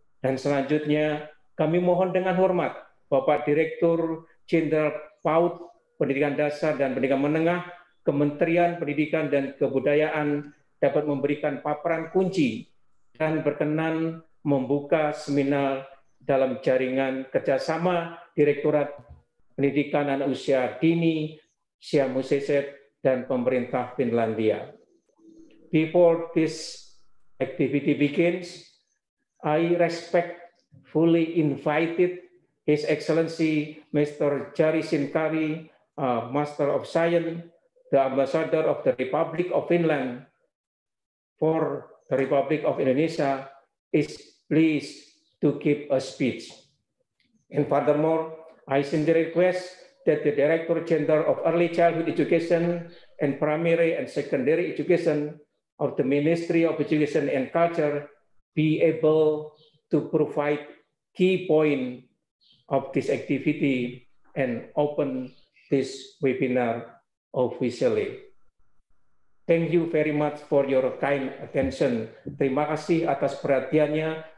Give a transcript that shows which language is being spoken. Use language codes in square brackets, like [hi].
[id] Dan selanjutnya, kami mohon dengan hormat Bapak Direktur Jenderal PAUD Pendidikan Dasar dan Pendidikan Menengah, Kementerian Pendidikan dan Kebudayaan dapat memberikan paparan kunci dan berkenan membuka seminar dalam jaringan kerjasama Direktorat Pendidikan Anak Usia Dini, Siamu CSEP, dan pemerintah Finlandia. [en] Before this activity begins, I respectfully invited His Excellency Mr. Jari Sintari, Master of Science, the Ambassador of the Republic of Finland for the Republic of Indonesia, is pleased to give a speech. And furthermore, I sincerely request that the Director General of Early Childhood Education and Primary and Secondary Education of the Ministry of Education and Culture be able to provide key point of this activity and open this webinar officially. Thank you very much for your kind attention. [id] Terima kasih atas perhatiannya.